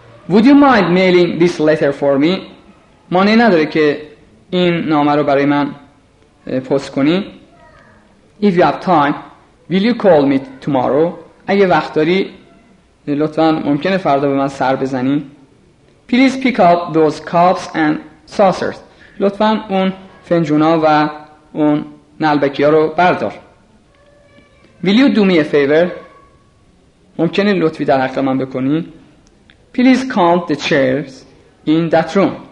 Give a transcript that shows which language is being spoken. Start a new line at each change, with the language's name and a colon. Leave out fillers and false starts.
English: Would you mind mailing this letter for me?
Persian: مانعی نداره که این نامه رو برای من پست کنی.
English: If you have time, will you call me tomorrow?
Persian: اگه وقت داری لطفاً ممکنه فردا به من سر بزنی.
English: Please pick up those cups and saucers
Persian: لطفاً اون فنجونا و اون نلبکی ها رو بردار.
English: Will you do me a favor؟
Persian: ممکنه لطفی در حق من بکنی؟
English: Please count the chairs in that room.